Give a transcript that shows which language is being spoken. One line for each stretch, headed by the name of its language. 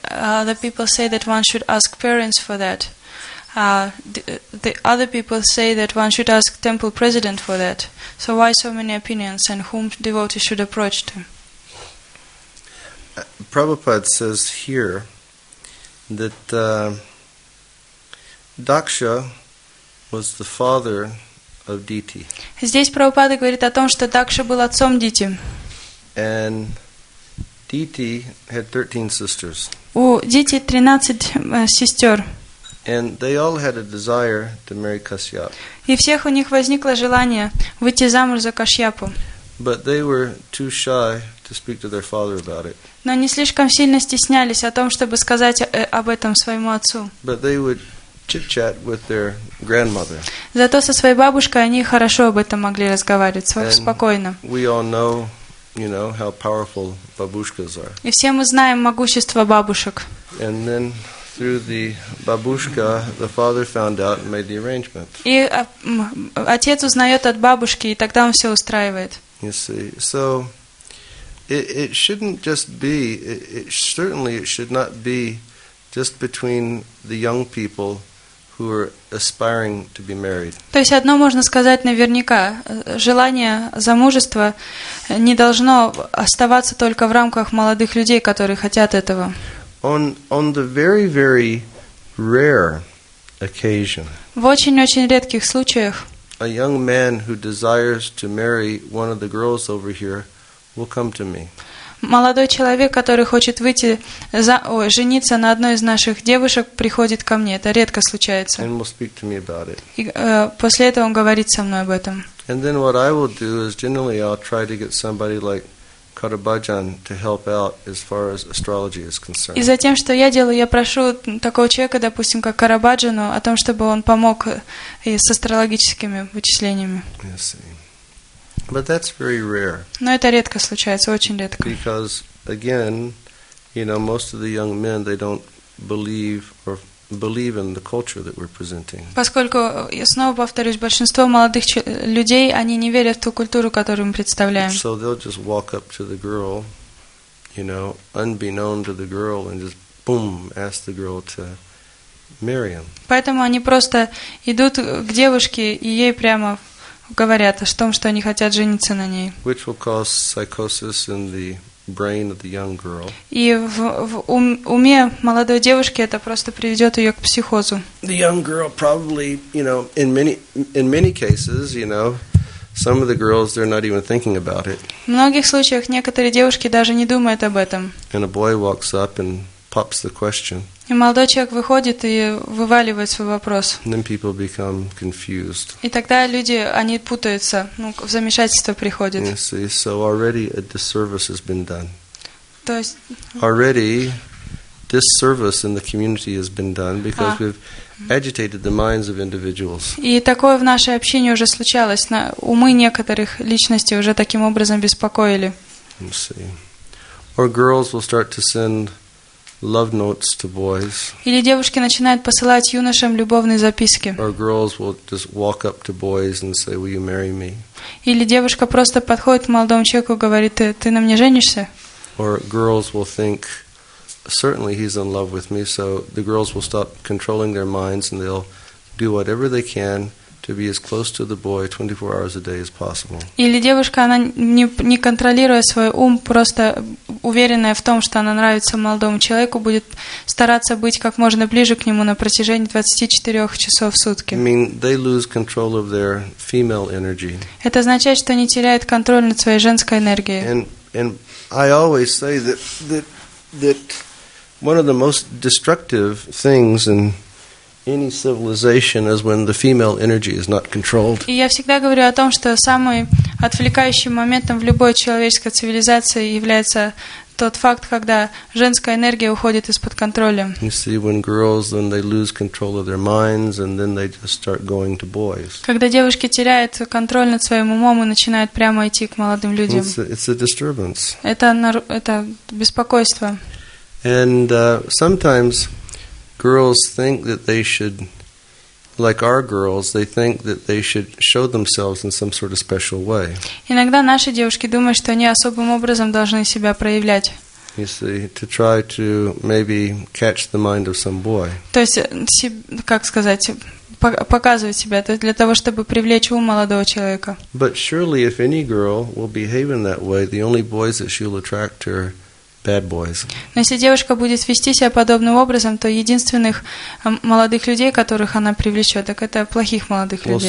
English: Other people say that one should ask parents for that. The other people say that one should ask temple president for that. So why so many opinions and whom devotees should approach to? Prabhupada says here that Daksha was the father of Diti.
Russian: Здесь Прабхупада говорит о том, что Дакша был отцом Дити.
English: And Diti had 13 sisters.
Russian: У Дити 13 сестер.
English: And they all had a desire to marry Kashyap.
Russian: И всех у них возникло желание выйти замуж за Кашьяпу.
English: But they were too shy to speak to their father about it.
Russian: Но они слишком сильно стеснялись о том, чтобы сказать об этом своему отцу.
English: But they would chit-chat with their grandmother.
Russian: Зато со своей бабушкой они хорошо об этом могли разговаривать,
English: and
Russian: спокойно.
English: We all know, you know, how powerful babushkas are.
Russian: И все мы знаем могущество бабушек.
English: And then through the babushka, the father found out and made the arrangement.
Russian: И отец узнает от бабушки, и тогда он все устраивает.
English: You see, so it shouldn't just be. It should not be just between the young people who are aspiring to be married.
Russian: То есть одно можно сказать наверняка, желание замужества не должно оставаться только в рамках молодых людей, которые хотят этого.
English: On the very, very rare occasion.
Russian: В очень-очень редких случаях.
English: A young man who desires to marry one of the girls over here will come to me.
Russian: Молодой человек, который хочет выйти жениться на одной из наших девушек, приходит ко мне. Это редко случается.
English: And will speak to me about it.
Russian: И после этого он говорит со мной об этом.
English: And then what I will do is generally I'll try to get somebody like Karabajan to help out as far as astrology is concerned.
Russian: И затем, что я делаю, я прошу такого человека, допустим, как Карабаджану, о том, чтобы он помог и с астрологическими вычислениями.
English: Yes. But that's very rare.
Russian: Но это редко случается, очень редко.
English: Because again, you know, most of the young men they don't believe in the culture that we're presenting.
Russian: Поскольку я снова повторюсь, большинство молодых людей они не верят в ту культуру, которую мы представляем.
English: So they'll just walk up to the girl, you know, unbeknown to the girl, and just boom, ask the girl to marry him.
Russian: Поэтому они просто идут к девушке и ей прямо говорят о том, что они хотят жениться на ней.
English: Which will cause psychosis in the brain of the young girl.
Russian: И в уме молодой девушки это просто приведет ее к психозу.
English: The young girl probably, you know, in many cases, you know, some of the girls they're not even thinking about it.
Russian: В многих случаях некоторые девушки даже не думают об этом.
English: And a boy walks up and pops the question.
Russian: И молодой человек выходит и вываливает свой вопрос.
English: Then people become confused.
Russian: И тогда люди, они путаются, в замешательство приходят.
English: So already a disservice has been done.
Russian: То есть
English: already this service in the community has been done because we've agitated the minds of individuals.
Russian: И такое в нашей общине уже случалось, на умы некоторых личностей уже таким образом беспокоили.
English: Or girls will start to send love notes to boys.
Russian: Или девушки начинают посылать юношам любовные записки.
English: Or girls will just walk up to boys and say, "Will you marry me?"
Russian: Или девушка просто подходит к молодому человеку и говорит: "Ты на мне женишься?"
English: Or girls will think, "Certainly he's in love with me." So the girls will stop controlling their minds and they'll do whatever they can to be as close to the boy 24 hours a day as possible.
Russian: Или девушка, она не контролируя свой ум, просто уверенная в том, что она нравится молодому человеку, будет стараться быть как можно ближе к нему на протяжении 24 часов в сутки.
English: I mean, they lose control of their female energy.
Russian: Это означает, что они теряют контроль над своей женской энергией.
English: And I always say that one of the most destructive things in any civilization is when the female energy is not controlled.
Russian: И я всегда говорю о том, что самый отвлекающим моментом в любой человеческой цивилизации является тот факт, когда женская энергия уходит из-под контроля.
English: You see, when girls, then they lose control of their minds, and then they just start going to boys.
Russian: Когда девушки теряют контроль над своим умом и начинают прямо идти к молодым людям.
English: It's a disturbance.
Russian: Это беспокойство.
English: And sometimes girls think that they should, like our girls, they think that they should show themselves in some sort of special way.
Russian: Иногда наши девушки думают, что они особым образом должны себя проявлять.
English: You see, to try to maybe catch the mind of some boy.
Russian: То есть, как сказать, показывать себя, то есть для того, чтобы привлечь ум молодого человека.
English: But surely, if any girl will behave in that way, the only boys that she'll attract are bad boys.
Russian: Но если девушка будет вести себя подобным образом, то единственных молодых людей, которых она привлечет, так это плохих молодых людей.